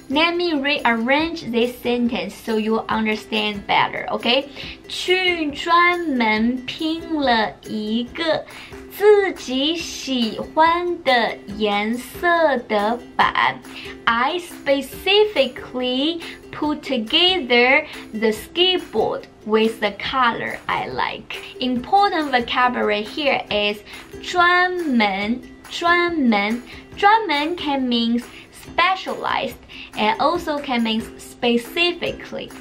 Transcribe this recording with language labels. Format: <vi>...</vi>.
<en>Let me rearrange this sentence so you understand better, okay?</en> <zh>去专门拼了一个自己喜欢的颜色的板。</zh> <en>I specifically put together the skateboard with the color I like. Important vocabulary here is 专门专门专门 can mean specialized and also can mean specifically.</en>